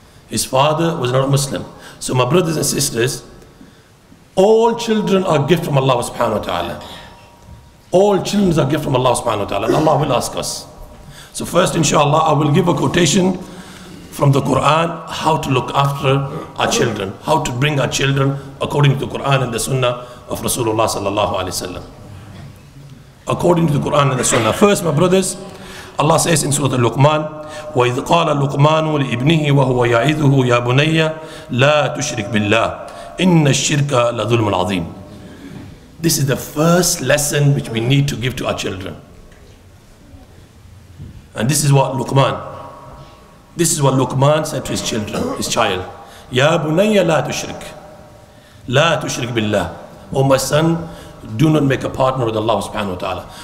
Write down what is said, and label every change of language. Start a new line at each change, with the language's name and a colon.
English: So my brothers and sisters, all children are gift from Allah subhanahu wa ta'ala. And Allah will ask us. So first, inshallah, I will give a quotation from the Quran, how to look after our children, how to bring our children according to the Quran and the Sunnah of Rasulullah sallallahu alaihi wasallam. According to the Quran and the Sunnah. First, my brothers, Allah says in Surah Al-Luqman,
Arabic: وَإِذْ قَالَ لُقْمَانُ لِإِبْنِهِ وَهُوَ يَعِذُهُ يَا بُنَيَّ لَا تُشْرِكْ بِاللَّهِ إِنَّ الشِّرْكَ لَظُلْمُ الْعَظِيمُ.
English: This is the first lesson which we need to give to our children. And this is what Luqman said to his child,
Arabic: Ya bunayya la tushrik billah.
English: O my son, do not make a partner with Allah subhanahu wa ta'ala.